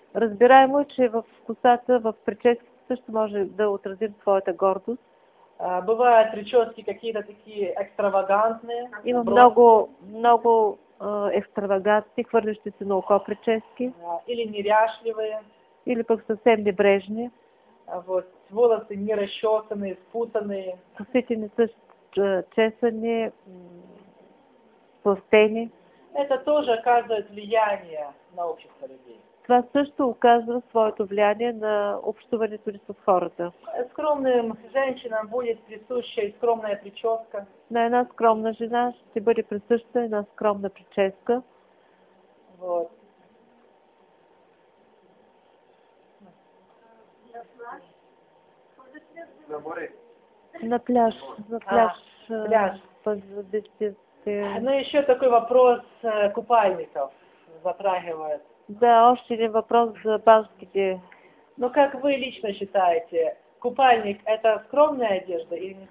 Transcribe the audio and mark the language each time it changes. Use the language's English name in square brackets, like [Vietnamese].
[Bulgarian] Разбираемо, че в косата, в прическите също може да отразим своята гордост. [Russian] Бывают прически какие-то такие экстравагантные. [Bulgarian] Има много, много екстравагантни, хвърлящи се на око прически. [Russian] Или неряшливые. [Bulgarian] Или пък съвсем небрежни. [Russian] Вот, волосы не расчесаны, спутаны. [Bulgarian] Косите не са чесани, пластени. [Russian] Это тоже оказывает влияние на общество людей. [Bulgarian] Това също оказва своето влияние на общуването ни с хората. [Russian] Скромным женщинам будет присуща и скромная прическа. [Bulgarian] На една скромна жена ще бъде присуща една скромна прическа. [Russian] Вот. На пляж. На пляж. А, пляж. Позвестите. Ну, еще такой вопрос купальников затрагивает. [Bulgarian] Да, още един въпрос за баските. [Russian] Но как вы лично считаете, купальник – это скромная одежда или не скромная?